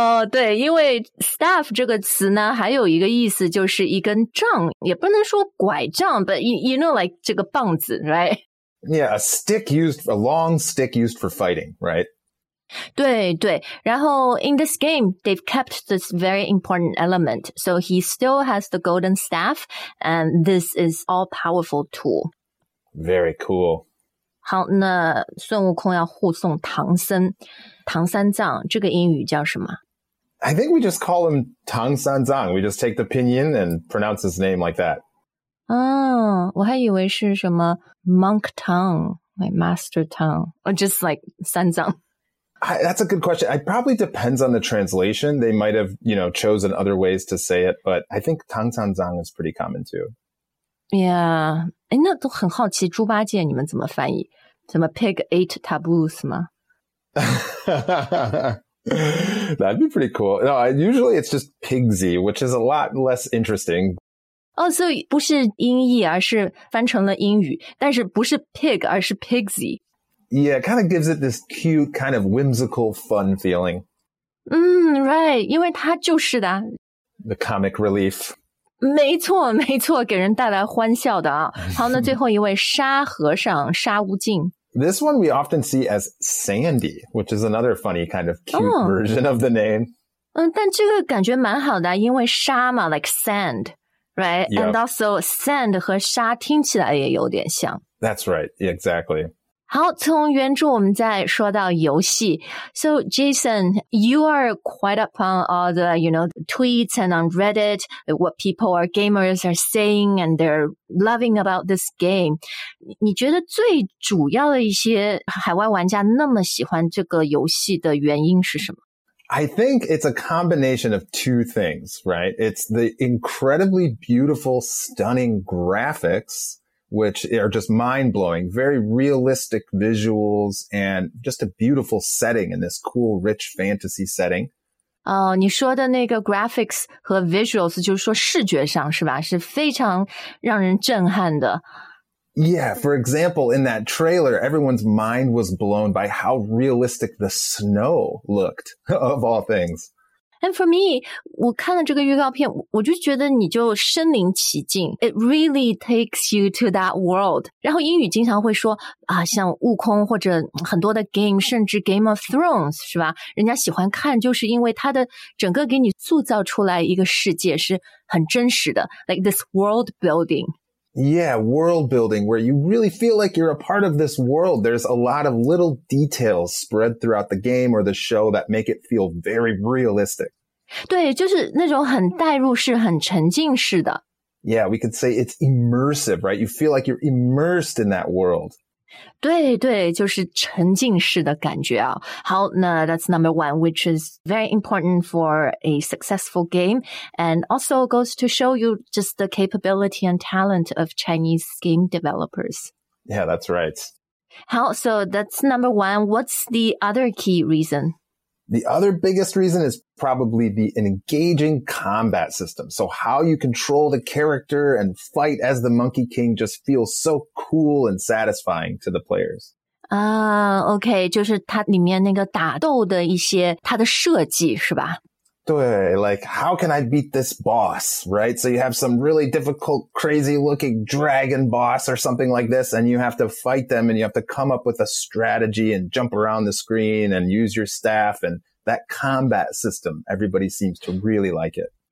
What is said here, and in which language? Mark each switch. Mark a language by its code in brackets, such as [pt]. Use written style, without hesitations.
[zh] 对，因为 staff 这个词呢，还有一个意思就是一根杖，也不能说拐杖 ， [en] but you know, like [zh] 这个棒子 ， [en] right? Yeah, a long stick used for fighting, right? [zh] 对对，然后 [en] in this game, they've kept this very important element, so he still has the golden staff, and this is all powerful tool. Very cool. [zh] 好那孙悟空要护送唐三藏这个英语叫什么 [en] I think we just call him 唐三藏 We just take the pinyin and pronounce his name like that. [zh] 哦，我还以为是什么 [en] monk tongue, like master tongue, or just like 三藏。 That's a good question. It probably depends on the translation. They might have, you know, chosen other ways to say it, but I think Tang San Zhang is pretty common too. Yeah. [zh] 诶，那都很好奇，猪八戒你们怎么翻译？怎么 [en] pig ate taboos [zh] 吗？ [en] That'd be pretty cool. No, usually it's just pigsy, which is a lot less interesting. Oh, so [zh] 不是音译，而是翻成了英语，但是不是 pig, 而是 pigsy。 [en] Yeah, it kind of gives it this cute, kind of whimsical, fun feeling. Right, [zh] 因为它就是的。 [en] The comic relief. [zh] 没错没错，给人带来欢笑的啊。好，那最后一位沙和尚沙无尽。 [en] This one we often see as Sandy, which is another funny kind of cute version of the name. [zh] 但这个感觉蛮好的，因为沙嘛 [en] like sand, right? Yep. And also sand [zh] 和沙听起来也有点像。 [en] That's right, exactly. [zh] 好，从原著我们再说到游戏。 [en] So Jason, you are quite up on all the, you know, tweets and on Reddit, what people or gamers are saying and they're loving about this game. [zh] 你觉得最主要的一些海外玩家那么喜欢这个游戏的原因是什么？ [en] I think it's a combination of two things, right? It's the incredibly beautiful, stunning graphics,which are just mind-blowing, very realistic visuals, and just a beautiful setting in this cool, rich fantasy setting. [zh] Oh, 你说的那个 graphics 和 visuals, 就是说视觉上是吧？是非常让人震撼的。 [en] Yeah, for example, in that trailer, everyone's mind was blown by how realistic the snow looked, of all things. And for me, [zh] 我看了这个预告片，我就觉得你就身临其境。 [en] It really takes you to that world. [zh] 然后英语经常会说啊，像悟空或者很多的 game, 甚至 Game of Thrones, 是吧？人家喜欢看就是因为它的整个给你塑造出来一个世界是很真实的。 [en] Like this world building. Yeah, world building, where you really feel like you're a part of this world. There's a lot of little details spread throughout the game or the show that make it feel very realistic. [zh] 对，就是那种很带入式，很沉浸式的。 [en] Yeah, we could say it's immersive, right? You feel like you're immersed in that world. [zh] 对对，就是沉浸式的感觉啊。 [en] 好，那 that's number one, which is very important for a successful game, and also goes to show you just the capability and talent of Chinese game developers. Yeah, that's right. 好，so that's number one. What's the other key reason? The other biggest reason is probably the engaging combat system. So how you control the character and fight as the Monkey King just feels so cool and satisfying to the players. [zh] Okay, 就是它里面那个打斗的一些它的设计是吧？ [en] 对 like how can I beat this boss, right? So you have some really difficult, crazy looking dragon boss or something like this, and you have to fight them and you have to come up with a strategy and jump around the screen and use your staff and that combat system. Everybody seems to really like it.